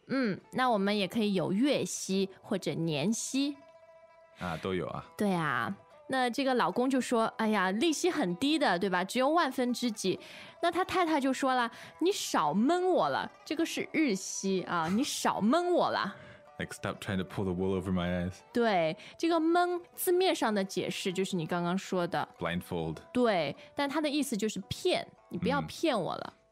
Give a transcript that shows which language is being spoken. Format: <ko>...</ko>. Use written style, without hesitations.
<zh>嗯，那我们也可以有月息或者年息啊，都有啊。对啊，那这个老公就说，哎呀，利息很低的，对吧？只有万分之几。那他太太就说了，你少蒙我了，这个是日息啊，你少蒙我了。</zh> <en>Like, stop trying to pull the wool over my eyes.</en> <zh>对，这个蒙字面上的解释就是你刚刚说的。</zh> <en>Blindfold.</en> <zh>对，但他的意思就是骗，你不要骗我了。</zh>